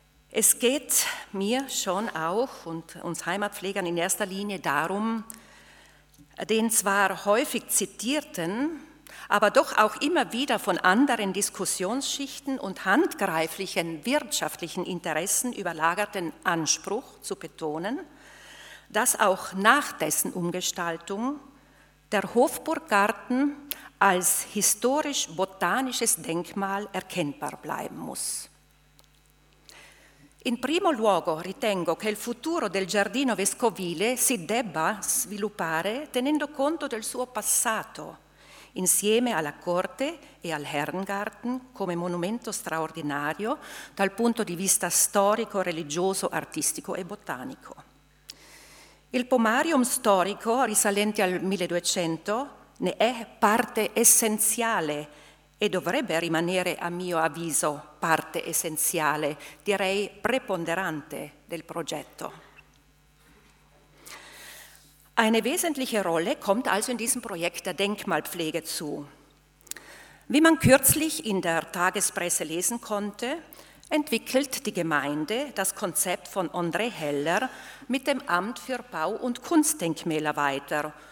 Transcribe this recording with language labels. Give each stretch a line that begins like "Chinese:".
German: Es geht mir schon auch und uns Heimatpflegern in erster Linie darum, den zwar häufig zitierten, aber doch auch immer wieder von anderen Diskussionsschichten und handgreiflichen wirtschaftlichen Interessen überlagerten Anspruch zu betonen, dass auch nach dessen Umgestaltung der Hofburggarten als historisch-botanisches Denkmal erkennbar bleiben muss.
Italian: In primo luogo ritengo che il futuro del giardino vescovile si debba sviluppare tenendo conto del suo passato, insieme alla Corte e al Herrengarten come monumento straordinario dal punto di vista storico, religioso, artistico e botanico. Il pomarium storico risalente al 1200 ne è parte essenziale e dovrebbe rimanere, a mio avviso, parte essenziale, direi preponderante del progetto.
German: Eine wesentliche Rolle kommt also in diesem Projekt der Denkmalpflege zu. Wie man kürzlich in der Tagespresse lesen konnte, entwickelt die Gemeinde das Konzept von André Heller mit dem Amt für Bau- und Kunstdenkmäler weiter.